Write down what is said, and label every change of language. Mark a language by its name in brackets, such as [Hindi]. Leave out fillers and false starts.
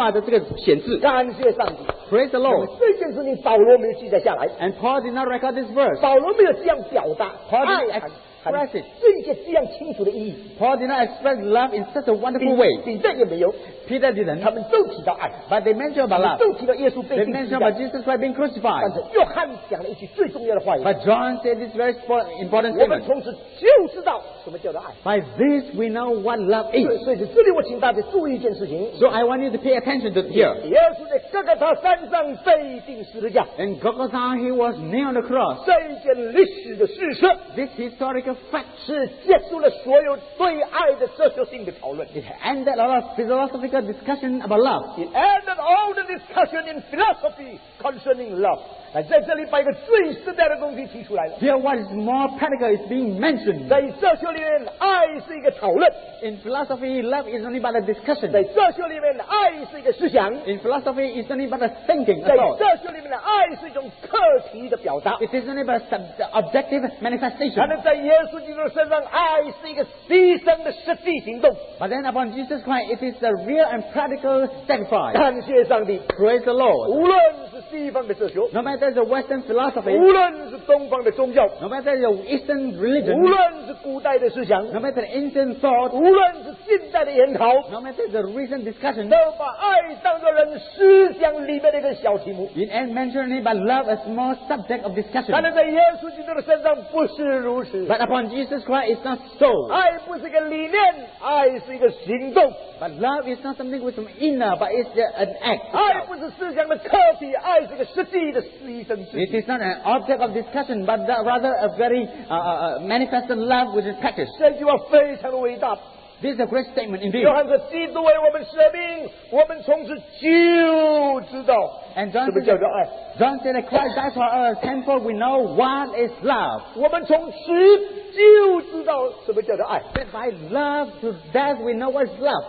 [Chinese] 是神那个爱具体化的这个显示。感谢上帝。 [English] Praise the Lord. [Chinese] 这件事情保罗没有记载下来。And [English] Paul did not record this verse. [Chinese] 保罗没有这样表达。 [English] Paul did not express it. [Chinese] 这一些这样清楚的意义。 [English] Paul did not express love in such a wonderful way. [Chinese] 彼得也没有。 [English] Peter didn't. [Chinese] 他们都提到爱。 [English] But they mentioned about love. [Chinese] 都提到耶稣被钉十字架。 [English] They mentioned about Jesus Christ being crucified. [Chinese] 但是约翰讲了一句最重要的话语。 [English] But John said this very important statement. [Chinese] 我们从此就知道什么叫做爱。 [English] By this we know what love is. [Chinese] 所以这里我请大家注意一件事情。 [English] So I want you to pay attention to here. [Chinese] 耶稣在哥哥他山上被钉十字架。 [English] And Golgotha, he was nailed on the cross. [Chinese] 这一件历史的事实。 [English] This historical fact. [Chinese] 是结束了所有对爱的哲学性的讨论。 [English] It ended a lot of philosophy. Discussion about love. It ended all the discussion in philosophy concerning love. [Chinese] 在这里把一个最实在的东西提出来了。 [English] Here, what is more practical is being mentioned. [Chinese] 在哲学里面，爱是一个讨论。 [English] In philosophy, love is only about a discussion. [Chinese] 在哲学里面，爱是一个思想。 [English] In philosophy, it's only about a thinking. [Chinese] 在哲学里面，爱是一种课题的表达。 [English] It is only about objective manifestation. [Chinese] 但是在耶稣基督身上，爱是一个牺牲的实际行动。 [English] But then, upon Jesus Christ, it is a real and practical sacrifice. [Chinese] 感谢上帝。 [English] Praise the Lord. [Chinese] 无论是西方的哲学。 [English] No matter the Western philosophy, [Chinese] 无论是东方的宗教, [English] no matter the Eastern religion, [Chinese] 无论是古代的思想, [English] no matter the ancient thought, [Chinese] 无论是近代的研讨, [English] no matter the recent discussion, [Chinese] 都把爱当作人思想里面的一个小题目, [English] in end mentioning it, but love a small subject of discussion. [Chinese] 但是在耶稣基督的身上不是如此, [English] but upon Jesus Christ, it's not so. [Chinese] 爱不是一个理念, 爱是一个行动, [English] but love is not something with some inner, but it's an act. [Chinese] 爱不是思想的课题, 爱是一个实际. [English] It is not an object of discussion, but rather a very manifest love which is practiced. This is a great statement indeed. [Chinese] 约翰说：“基督为我们舍命，我们从此就知道。” [English] And John said that Christ died for us, therefore we know what is love. [Chinese] 我们从此就知道什么叫做爱。 [English] By love to death, we know what is love.